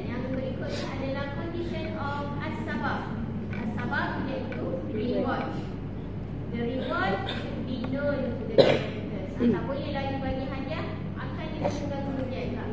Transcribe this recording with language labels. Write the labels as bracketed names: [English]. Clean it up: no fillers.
[Malay] Yang berikutnya adalah condition of As-Sabah. As-Sabah iaitu reward. [English] The reward should be known to the competitors. [Malay] Ataupun yang lagi bagi hadiah akan ditentukan kemudian.